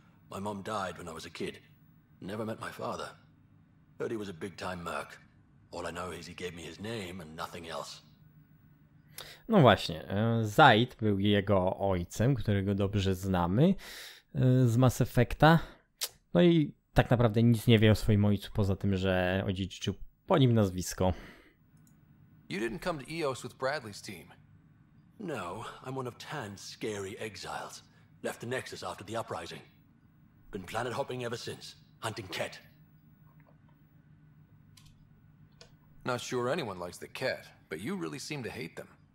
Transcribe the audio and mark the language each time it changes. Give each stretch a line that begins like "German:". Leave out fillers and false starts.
English: My mom died when I was a kid. Never met my father. Heard he was a big-time merc. All I know is he gave me his name and nothing else.
Polish: No właśnie, Zaid był jego ojcem, którego dobrze znamy z Mass Effecta. No i tak naprawdę nic nie wie o swoim ojcu, poza tym, że odziedziczył po nim nazwisko.
English: You didn't come to Eos with Bradley's team. No, I'm one of Tan's scary exiles. Left the Nexus after the uprising. Been planet hopping ever since, hunting Ket. Not sure anyone likes the Ket, but you really seem to hate them.